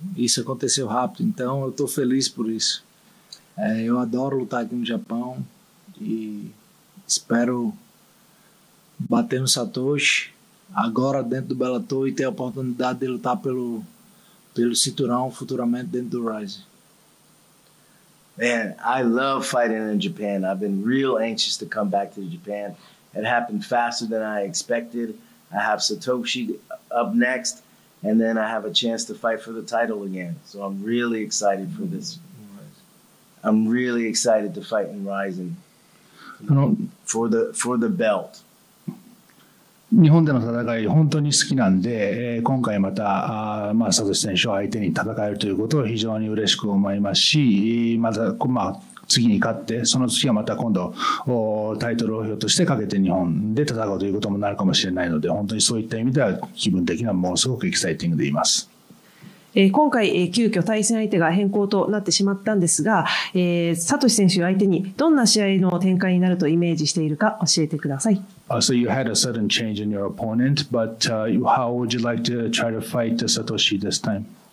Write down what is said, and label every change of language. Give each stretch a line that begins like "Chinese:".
Portuguese: Isso aconteceu rápido, então eu estou feliz por isso. Eu adoro lutar aqui no Japão e espero bater no Satoshi agora dentro do Bellator e ter a oportunidade de lutar pelo cinturão futuramente dentro do RIZIN.
English: Man, I love fighting in Japan. I've been real anxious to come back to Japan. It happened faster than I expected. I have Satoshi up next, and then I have a chance to fight for the title again. So I'm really excited for this. I'm really excited to fight in RIZIN for the belt.
Japanese: 日本での戦い本当に好きなんで、今回また、まあ、佐藤選手を相手に戦えるということを非常に嬉しく思いますし、また、まあ、次に勝ってその次はまた今度タイトルをひょっとしてかけて日本で戦うということもなるかもしれないので、本当にそういった意味では気分的にはものすごくエキサイティングでいます。今回急遽対戦相手が変更となってしまったんですが、サトシ選手相手にどんな試合の展開になるとイメージしているか教えてください。
English: So you had a sudden change in your opponent, but how would you like to try to fight Satoshi this time?